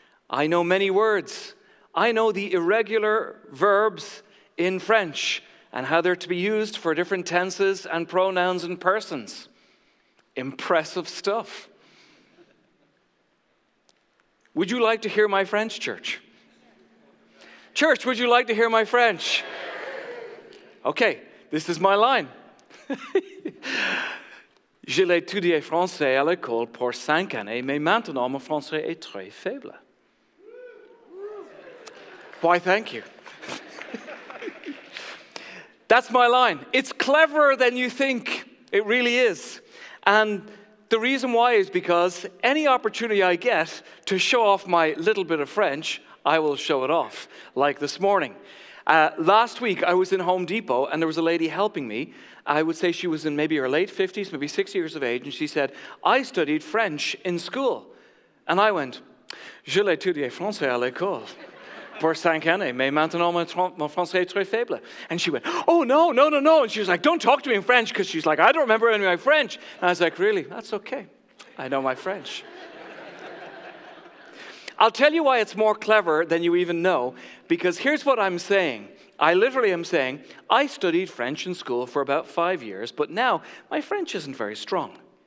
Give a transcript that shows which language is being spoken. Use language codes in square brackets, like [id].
[en] I know many words. I know the irregular verbs in French and how they're to be used for different tenses and pronouns and persons. Impressive stuff. Would you like to hear my French, church? Church, would you like to hear my French? Okay, this is my line. [fr] Je l'ai étudié français à l'école pour 5 années, mais maintenant mon français est très faible. [en] Why, thank you. That's my line. It's cleverer than you think. It really is. And the reason why is because any opportunity I get to show off my little bit of French, I will show it off, like this morning. Last week, I was in Home Depot, and there was a lady helping me. I would say she was in maybe her late 50s, maybe 60 years of age, and she said, I studied French in school. And I went, [fr] je l'ai étudié français à l'école pour 5 années, mais maintenant mon français est très faible. [en] And she went, oh, no. And she was like, don't talk to me in French, because she's like, I don't remember any of my French. And I was like, really? That's okay. I know my French. I'll tell you why it's more clever than you even know, because here's what I'm saying. I literally am saying, I studied French in school for about 5 years, but now my French isn't very strong.